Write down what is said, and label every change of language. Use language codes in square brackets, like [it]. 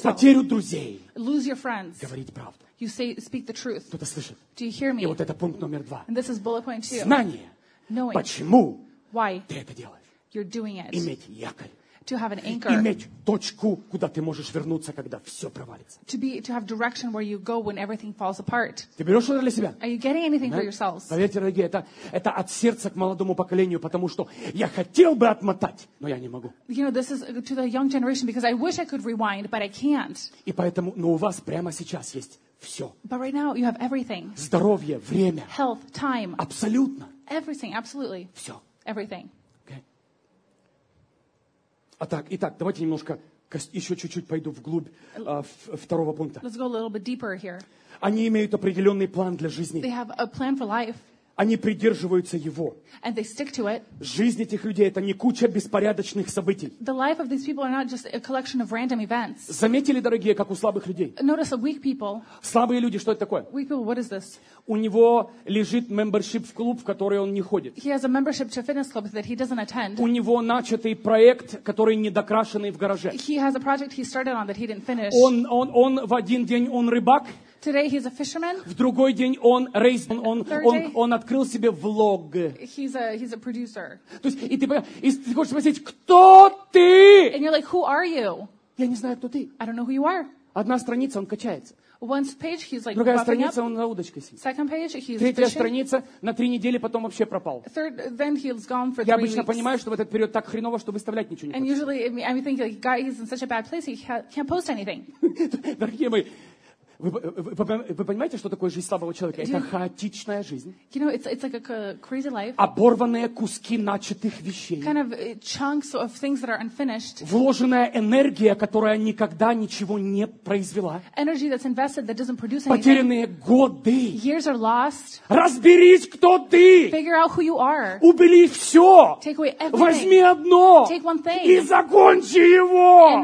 [ru] В потерю друзей. [en] Lose your friends. [ru] Говорить правду. [en] You say, speak the truth. [ru] Кто-то слышит? [en] Do you hear me? [ru] И вот это пункт номер два. [en] And this is bullet point two. [ru] Знание. [en] Knowing. [ru] Почему. [en] Why. [ru] Ты это делаешь. [en] You're doing it. [ru] Иметь якорь. [en] to have an anchor. [ru] Иметь точку, куда ты можешь вернуться, когда все провалится. [en] To have direction where you go when everything falls apart. [ru] Ты берешь что-то для себя? [en] Are you getting anything for yourselves? [ru] Поверьте, дорогие, это от сердца к молодому поколению, потому что я хотел бы отмотать, но я не могу. [en] You know, this is to the young generation because I wish I could rewind, but I can't. [ru] И поэтому, у вас прямо сейчас есть все. [en] But right now you have everything. [ru] Здоровье, время. [en] Health, time. [ru] Абсолютно. [en] Everything, absolutely. [ru] Все. [en] Everything. Okay. [ru] А так, итак, давайте немножко еще чуть-чуть пойду вглубь второго пункта. [en] Let's go a little bit deeper here. [ru] Они имеют определенный план для жизни. [en] They have a plan for life. [ru] Они придерживаются его. [en] And they stick to it. [ru] Жизнь этих людей — это не куча беспорядочных событий. [en] The life of these people are not just a collection of random events. [ru] Заметили, дорогие, как у слабых людей? [en] Notice weak people. [ru] Слабые люди, что это такое? [en] Weak people, what is this? [ru] У него лежит membership в клуб, в который он не ходит. [en] He has a membership to a fitness club that he doesn't attend. [ru] У него начатый проект, который не докрашенный в гараже. [en] He has a project he started on that he didn't finish. [ru] Он в один день он рыбак. [en] Today he's a fisherman. [ru] В другой день он рейс, он открыл себе влог. [en] He's a producer. [ru] То есть, и ты хочешь спросить, кто ты? [en] And you're like, who are you? [ru] Я не знаю, кто ты. [en] I don't know who you are. [ru] Одна страница, он качается. [en] One page, he's like, [ru] другая страница, он на удочке сидит. [en] Second page, he's [ru] третья [en] fishing. [ru] Страница, на три недели потом вообще пропал. [en] Third, then he's gone for three. [ru] Я обычно [en] weeks. [ru] Понимаю, что в этот период так хреново, что выставлять ничего не хочется. [en] And [ru] хочет. [en] Usually, I'm thinking, like, God, he's in such a bad place, he can't post anything. [ru] Дорогие мои, Вы понимаете, что такое жизнь слабого человека? Это хаотичная жизнь. [en] You know, it's like a crazy life. [ru] Оборванные куски начатых вещей. [en] Kind of chunks of things that are unfinished. [ru] Вложенная энергия, которая никогда ничего не произвела. [en] Energy that's invested that doesn't produce anything. [ru] Потерянные годы. [en] Years are lost. [ru] Разберись, кто ты. [en] Figure out who you are. [ru] Убери все. [en] Take away everything. [ru] Возьми одно. [en] Take one thing. [ru] И закончи его.